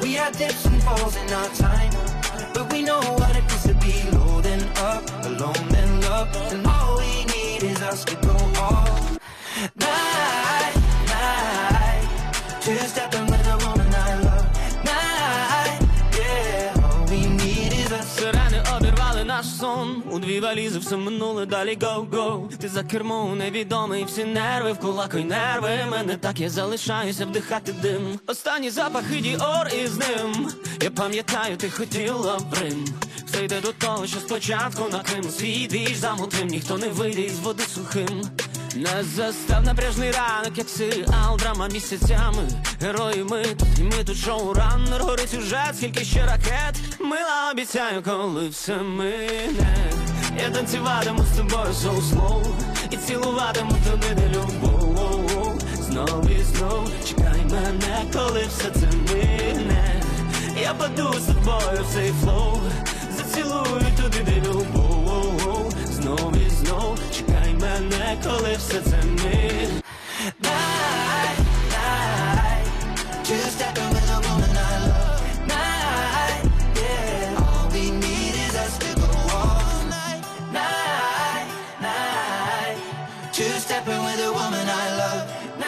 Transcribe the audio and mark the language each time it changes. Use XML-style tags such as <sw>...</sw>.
<en>We had dips and falls in our time, but we know what it means to be low then up, alone then love. And all we need is us to go all night, night, just stepping with a woman I love. Night, yeah, all we need is us.</en> <uk>Але наш сон у дві валізи все минуле, далі</uk> <en>go-go.</en> <uk>Ти за кермом невідомий, всі нерви в кулак, ой, нерви. Мене так, я залишаюся вдихати дим. Останні запахи Діор із ним. Я пам'ятаю, ти хотіла в Рим. Все йде до того, що спочатку на Крим. Свій двіж замутим, ніхто не вийде із води сухим. Не застав напряжний ранок, як серіал, драма місяцями. Герої ми тут, і ми тут шоураннер. Горить уже, скільки ще ракет. Мила, обіцяю, коли все мине. Я танцюватиму з тобою</uk> <en>so slow,</en> <uk>і цілуватиму тобі не любов. Знов і знов, чекай мене, коли все це мине. Я паду з тобою в цей флоу, зацілую туди, де любов. Знов і знов, чекай мене, коли все це ми.</uk> <en>Night, night, just stepping with a woman I love. Night, yeah, all we need is us to go all night. Night, night, just stepping with a woman I love.</en>